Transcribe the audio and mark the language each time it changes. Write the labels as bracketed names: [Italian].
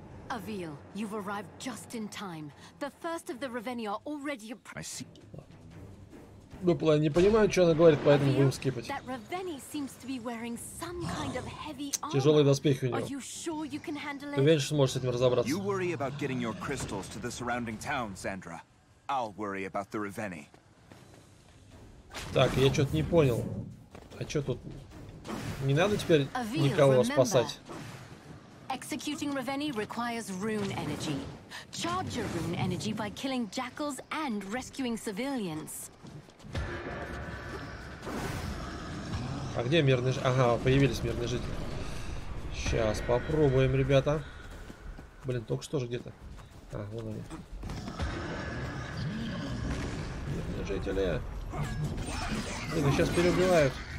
[English] Avil, you've arrived just in time. The first of the Ravenia already approaching. [Russian] Ну, я не понимаю, что она говорит, поэтому будем скипать. [English] Kind of [Russian] тяжелые доспехи у него. Ты уверен, что сможешь с этим разобраться? [English] You worry about getting your crystals to the surrounding town, Sandra. I'll worry about the Ravenny. [Russian] Так, я что-то не понял. А что тут? Не надо теперь никого спасать. [English] Executing Ravenny requires rune energy. Charge your rune energy by killing jackals and rescuing civilians. [Russian] А где мирные жители? Ага, появились мирные жители. Сейчас попробуем, ребята. Блин, только что же где-то. А, вон они. Мирные жители. Блин, сейчас переубивают.